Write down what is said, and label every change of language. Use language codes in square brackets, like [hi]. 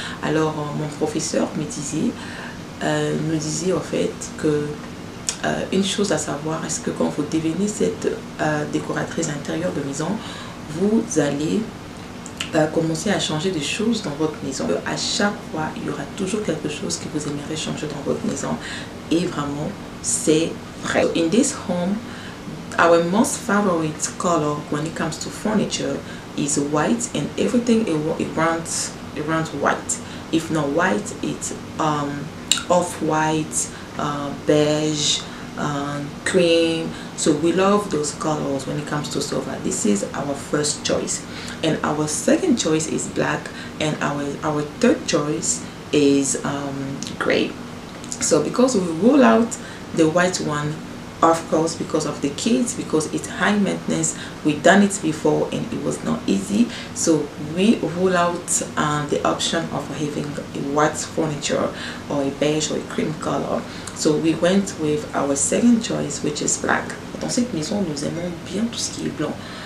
[fr] Alors, mon professeur me disait, en fait, que une chose à savoir, est-ce que quand vous devenez cette décoratrice intérieure de maison, vous allez commencer à changer des choses dans votre maison. À chaque fois, il y aura toujours quelque chose que vous aimerez changer dans votre maison. Et vraiment, c'est vrai. [en] So in this home, our most favorite color when it comes to furniture is white, and everything around white. If not white, it's off-white, beige, cream. So we love those colors when it comes to silver. This is our first choice. And our second choice is black. And our third choice is gray. So because we roll out the white one, of course, because of the kids, because it's high maintenance, we've done it before and it was not easy. So we rule out the option of having a white furniture or a beige or a cream color. So we went with our second choice, which is black. [fr] Dans cette maison, nous aimons bien tout ce qui est blanc.